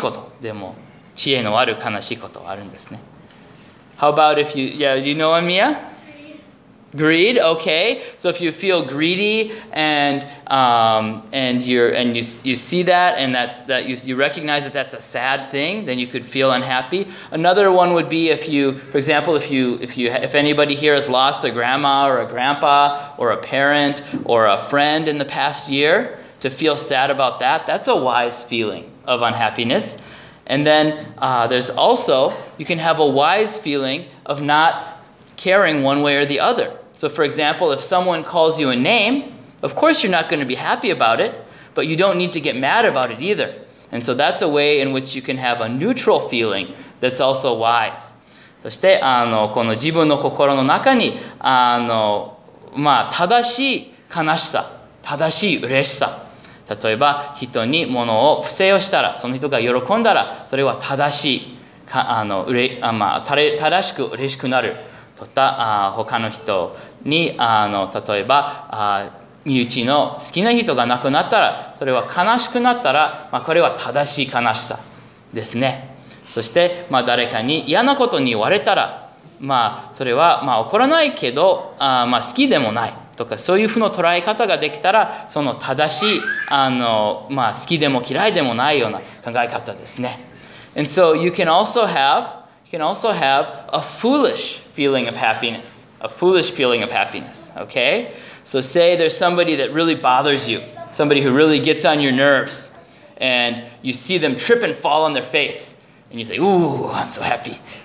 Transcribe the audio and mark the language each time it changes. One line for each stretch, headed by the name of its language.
Japanese: 頭のいい、そういう、悲しいことでも、知恵のある悲しいことはあるんですね。
English: How about if you, do you know Amiya? Greed, okay. So if you feel greedy and you see that and that's you recognize that that's a sad thing, then you could feel unhappy. Another one would be if anybody here has lost a grandma or a grandpa or a parent or a friend in the past year, to feel sad about that, that's a wise feeling of unhappiness. And then there's also, you can have a wise feeling of not caring one way or the other. So for example, if someone calls you a name, of course you're not going to be happy about it, but you don't need to get mad about it either. And so that's a way in which you can have a neutral feeling that's also wise.
Japanese: そしてこの自分の心の中に正しい悲しさ、正しい嬉しさ、例えば人に物を不正をしたら、その人が喜んだら、それは正しい、正しく嬉しくなる。とた他の人に例えば身内の好きな人が亡くなったら、それは悲しくなったら、これは正しい悲しさですね。そして、誰かに嫌なことに言われたら、それは怒らないけど、好きでもないとか、そういうふうの捉え方ができたら、その正しい好きでも嫌いでもないような考え方ですね。
English: And so you can also have a foolish feeling of happiness. A foolish feeling of happiness, okay? So say there's somebody that really bothers you, somebody who really gets on your nerves, and you see them trip and fall on their face, and you say, ooh, I'm so happy.